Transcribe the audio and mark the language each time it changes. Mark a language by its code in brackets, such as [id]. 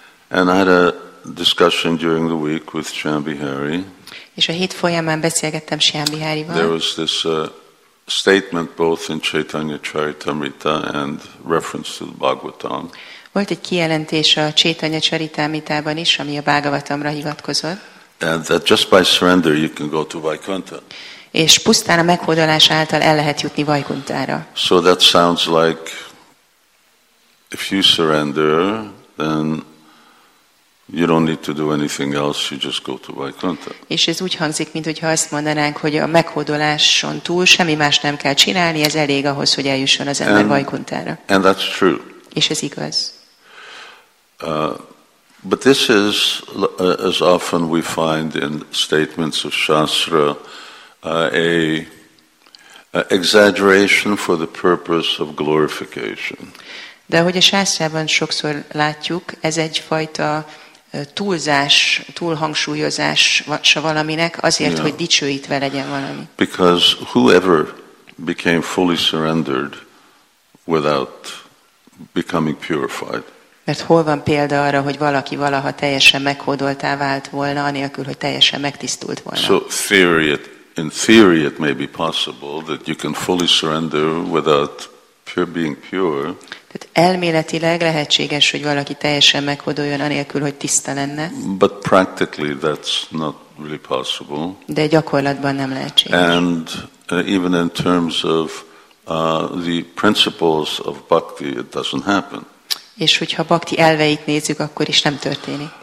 [en] And I had a discussion during the week with Shambihari. [hu] És a hét folyamán beszélgettem Shambiharival. [en] There was this statement both in Chaitanya Charitamrita and reference to the Bhagavatam. [hu] Volt egy kijelentés a Chaitanya Charitamritában is, ami a Bhagavatamra hivatkozott. [en] And that just by surrender you can go to Vaikuntha. [hu] És pusztán a meghódolás által el lehet jutni Vaikunthára. [en] So that sounds like if you surrender, then you don't need to do anything else, you just go to Vaikuntha. [hu] És ez úgy hangzik, mint hogyha azt mondanánk, hogy a meghódoláson túl semmi más nem kell csinálni, ez elég ahhoz, hogy eljusson az ember Vaikunthára. [en] And that's true. [hu] És ez igaz. [en] But this is, as often we find in statements of Shastra, an exaggeration for the purpose of glorification. [hu] De ahogy a Shastrában sokszor látjuk, ez egyfajta túlzás, túlhangsúlyozás valaminek azért, yeah, hogy dicsőítve legyen valami. [en] Because whoever became fully surrendered without becoming purified? [hu] Mert hol van példa arra, hogy valaki valaha teljesen meghódoltá vált volna, anélkül, hogy teljesen megtisztult volna. [en] So in theory it may be possible that you can fully surrender without being pure. [hu] Tehát elméletileg lehetséges, hogy valaki teljesen meghódoljon anélkül, hogy tiszta lenne. [en] But practically that's not really possible. [hu] De gyakorlatban nem lehetséges. [en] And even in terms of the principles of bhakti, it doesn't happen. [hu] És hogyha bhakti elveit nézzük, akkor is nem történik.